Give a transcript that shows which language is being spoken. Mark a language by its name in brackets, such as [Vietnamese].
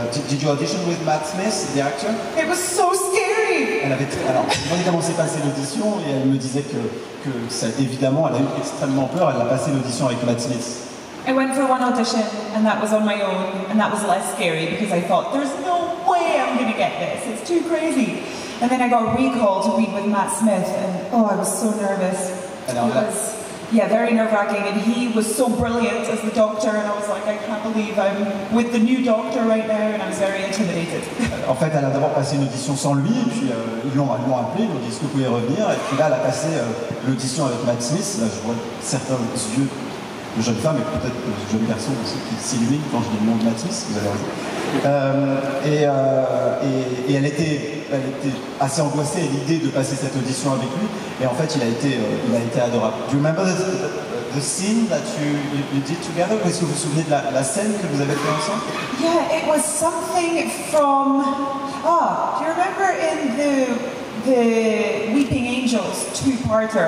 [English] Did you audition with Matt Smith, the actor? It was so scary! [French] Comment s'est passée l'audition, et elle me disait que ça, évidemment, elle a eu extrêmement peur, elle a passé l'audition avec Matt Smith. [English] I went for one audition, and that was on my own, and that was less scary, because I thought, there's no way I'm going to get this, it's too crazy. And then I got a recall to read with Matt Smith, and oh, I was so nervous. Yeah, very nerve-wracking, and he was so brilliant as the doctor, and I was like, I can't believe I'm with the new doctor right now, and I was very intimidated. [French] En fait, elle a d'abord passé une audition sans lui, et puis ils l'ont appelé, ils lui ont dit, est-ce que vous pouvez revenir? Et puis là, elle a passé l'audition avec Matt Smith. Là, je vois certains yeux de jeune femme, et peut-être de jeune garçon aussi, qui s'illuminent quand je dis le nom de Matt Smith, vous avez raison. Et elle était assez angoissée à l'idée de passer cette audition avec lui, et en fait il a été adorable. [English] Do you remember the scene that you did together? [French] Est-ce que vous vous souvenez de la scène que vous avez fait ensemble? [English] Yeah, it was something from... Oh, do you remember in the Weeping Angels two-parter?